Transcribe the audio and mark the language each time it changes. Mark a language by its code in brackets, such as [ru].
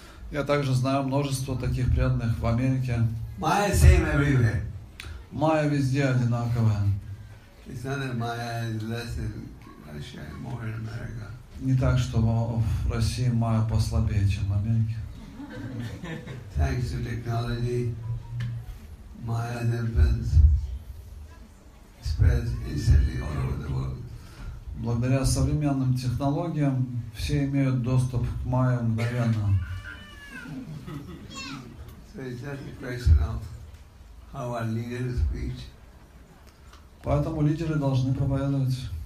[ru] Я также знаю множество таких преданных в Америке. Майя везде одинаковая. [en] It's not that Maya is less in Russia and more in America. [ru] Не так, что в России Maya послабее, чем в Америке. [en] Thanks to technology, Maya's influence spreads instantly all over the world. [ru] Благодаря современным технологиям все имеют доступ к Maya мгновенно. [en] So it's just a question of how our leaders preach. [ru] Поэтому лидеры должны проповедовать.